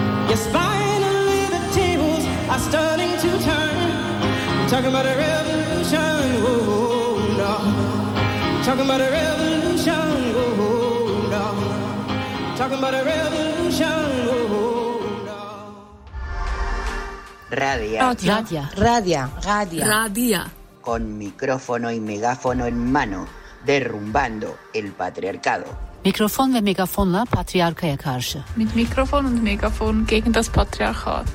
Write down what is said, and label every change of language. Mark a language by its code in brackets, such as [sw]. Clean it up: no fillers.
[en] Yes, finally the tables are starting to turn. Talking about a revolution, oh, oh no. Talking about a revolution, oh, oh no. Talking about a revolution, oh, oh no. Radia. [es] Con micrófono y megáfono en mano, derrumbando el patriarcado. [tr] Mikrofon ve megafonla patriarkaya karşı. [de] Mit Mikrofon und Megafon gegen das Patriarchat.